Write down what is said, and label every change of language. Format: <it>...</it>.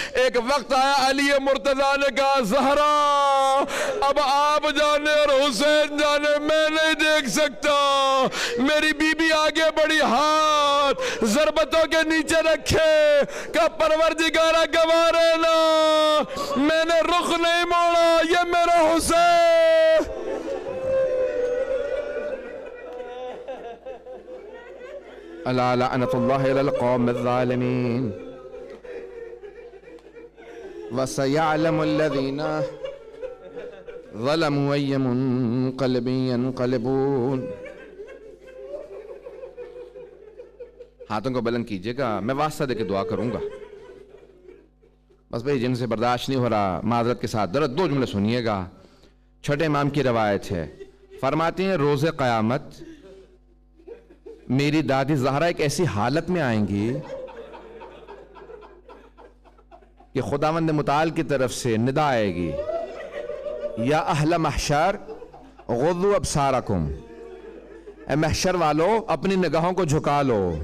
<ur>ایک وقت آیا علی مرتضیٰ نے کہا زہرا اب آپ جانے اور حسین جانے، میں نہیں دیکھ سکتا، میری بی بی آگے بڑی ہاتھ ضربتوں کے نیچے رکھے کہ پروردگارہ گوارا نہ، میں نے رخ نہیں موڑا، یہ میرا حسین.</ur> <ar>الا لعنة الله الى القوم الظالمين وسيعلم الذين ظلموا اي منقلب ينقلبون.</ar> <ur>ہاتھوں کو بلند کیجئے گا، میں واسطہ دے کے دعا کروں گا. بس بھائی جن سے برداشت نہیں ہو رہا معذرت کے ساتھ، درد دو جملے سنیے گا. چھٹے امام کی روایت ہے، فرماتے ہیں روز قیامت میری دادی زہرا ایک ایسی حالت میں آئیں گی کہ خداوند متعال کی طرف سے ندا آئے گی،</ur> <ar>یا اہل محشر غضوا ابصارکم،</ar> <ur>اے محشر والو اپنی نگاہوں کو جھکا لو.</ur>